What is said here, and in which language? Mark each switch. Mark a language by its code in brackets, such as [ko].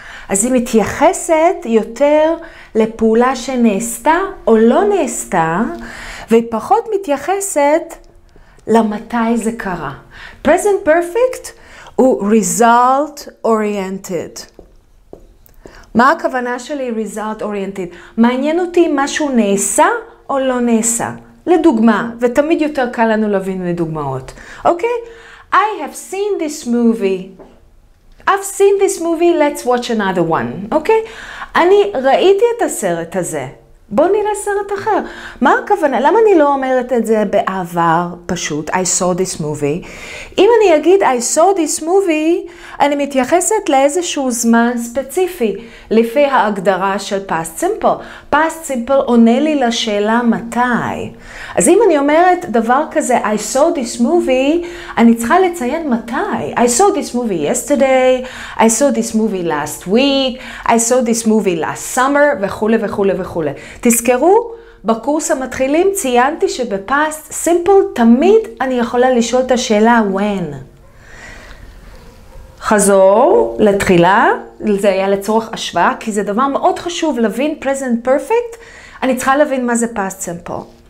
[he] אז היא מתייחסת יותר לפעולה שנעשתה או לא נעשתה, והיא פחות מתייחסת למתי זה קרה. Present perfect הוא result oriented. מה הכוונה שלי result oriented? מעניין אותי אם משהו נעשה או לא נעשה. לדוגמה, ותמיד יותר קל לנו להבין לדוגמאות. אוקיי? [en] Okay? I have seen this movie. I've seen this movie, let's watch another one. [he] אוקיי? Okay? אני ראיתי את הסרט הזה. בוא נראה סרט אחר. מה הכוונה? למה אני לא אומרת את זה בעבר פשוט? [en] I saw this movie. [he] אם אני אגיד [en] I saw this movie, [he] אני מתייחסת לאיזשהו זמן ספציפי, לפי ההגדרה של past simple. Past simple עונה לי לשאלה מתי. אז אם אני אומרת דבר כזה [en] I saw this movie, [he] אני צריכה לציין מתי. [en] I saw this movie yesterday, I saw this movie last week, I saw this movie last summer, [he] וכו' וכו' וכו'. תזכרו, בקורס המתחילים ציינתי שבפאסט סימפל תמיד אני יכולה לשאול את השאלה when. חזור לתחילה, זה היה לצורך השוואה, כי זה דבר מאוד חשוב להבין present perfect, אני צריכה להבין מה זה past simple.